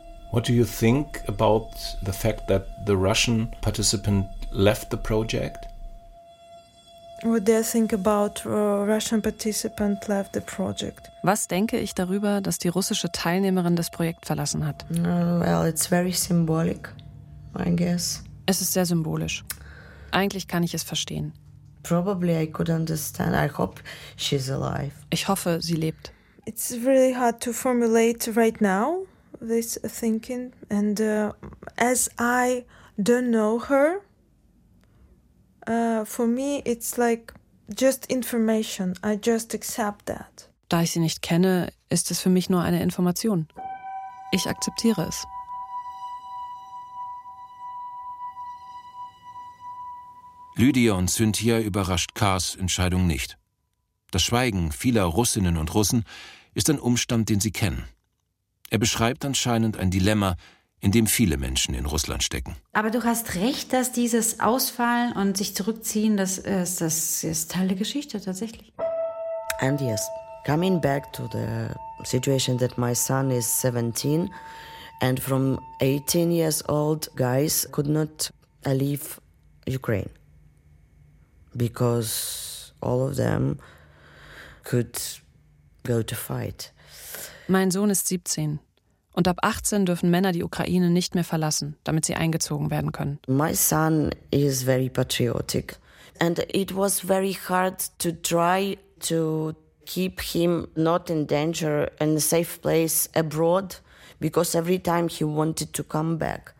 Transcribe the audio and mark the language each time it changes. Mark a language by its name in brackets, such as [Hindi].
[English] What do you think about the fact that the Russian participant left the project? What do I think about Russian participant left the project? [German] Was denke ich darüber, dass die russische Teilnehmerin das Projekt verlassen hat? [English] Well, it's very symbolic, I guess. [German] Es ist sehr symbolisch. Eigentlich kann ich es verstehen. [English] Probably I could understand. I hope she's alive. [German] Ich hoffe, sie lebt. [English] It's really hard to formulate right now this thinking, and as I don't know her. For me, it's like just information. I just accept that. [German] Da ich sie nicht kenne, ist es für mich nur eine Information. Ich akzeptiere es. Lydia und Cynthia überrascht Kars Entscheidung nicht. Das Schweigen vieler Russinnen und Russen ist ein Umstand, den sie kennen. Er beschreibt anscheinend ein Dilemma, in dem viele Menschen in Russland stecken. Aber du hast recht, dass dieses Ausfallen und sich zurückziehen, das ist Teil der Geschichte tatsächlich. [English] And yes, coming back to the situation that my son is 17 and from 18 years old guys could not leave Ukraine because all of them could go to fight. [German] Mein Sohn ist 17. Und ab 18 dürfen Männer die Ukraine nicht mehr verlassen, damit sie eingezogen werden können. [English] My son is very patriotic and it was very hard to try to keep him not in danger in a safe place abroad because every time he wanted to come back.